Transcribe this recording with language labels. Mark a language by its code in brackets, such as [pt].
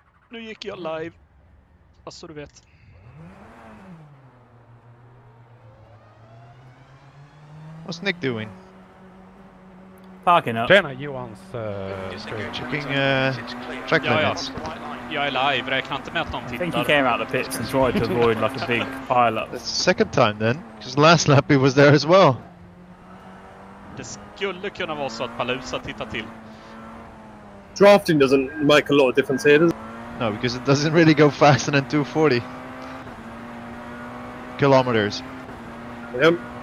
[sv] Nu gick jag live. Alltså du vet. [en] What's Nick doing? Parking up. [sv] Tjena Johans [en] checking track limits. [sv] Jag är live, räknar inte med att de tittar. [en] I think he came out of the pits and tried to avoid like a big pile up. That's the second time then, because last lap he was there as well. [sv] Det skulle kunna vara så att Palusa tittar till. [en] Drafting doesn't make a lot of difference here, does it? No, because it doesn't really go faster than 240 kilometers. Yep.